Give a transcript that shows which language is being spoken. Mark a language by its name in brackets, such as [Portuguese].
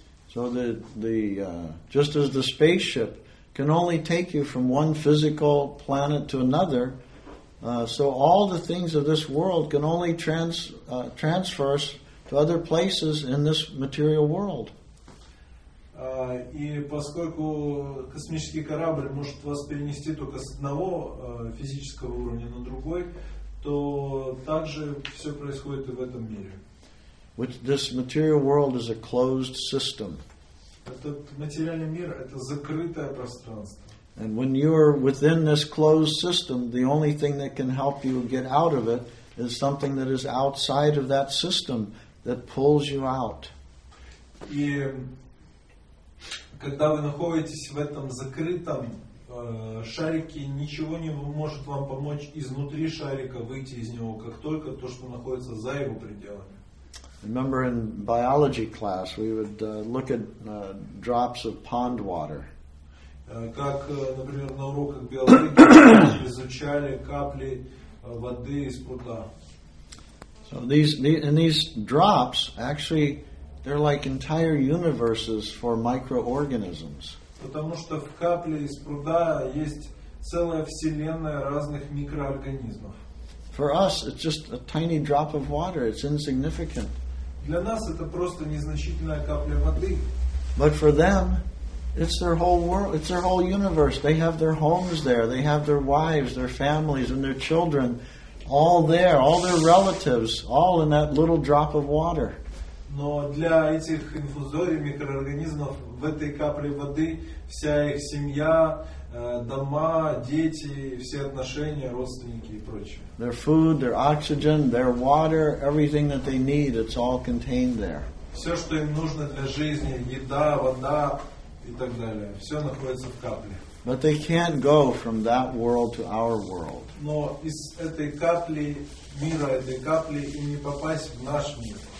[English] So just as the spaceship can only take you from one physical planet to another, so all the things of this world can only transfer us to other places in this material world. [Russian] И поскольку космический корабль может вас перенести только с одного физического уровня на другой, то также все происходит и в этом мире. [English] Which this material world is a closed system. [Russian] Этот материальный мир — это закрытое пространство. [English] And when you are within this closed system, the only thing that can help you get out of it is something that is outside of that system that pulls you out. [Russian] И когда вы находитесь в этом закрытом шарике, ничего не может вам помочь изнутри шарика выйти из него, как только то, что находится за его пределами. [English] Remember in biology class, we would look at drops of pond water. [Russian] Как, например, на уроках биологии изучали капли воды из пруда. [English] So these drops actually they're like entire universes for microorganisms. [Russian] Потому что в капле из пруда есть целая вселенная разных микроорганизмов. [English] For us, it's just a tiny drop of water. It's insignificant. [Russian] Для нас это просто незначительная капля воды. [English] But for them, it's their whole world. It's their whole universe. They have their homes there. They have their wives, their families, and their children, all there, all their relatives, all in that little drop of water. [Russian] Но для этих инфузорий микроорганизмов в этой капле воды вся их семья, дома, дети, все отношения, родственники и прочее. [English] Their food, their oxygen, their water, everything that they need, it's all contained there. [Russian] Все, что им нужно для жизни, еда, вода и так далее, все находится в капле. [English] But they can't go from that world to our world. [Russian] Но из этой капли мира, этой капли, им не попасть в наш мир.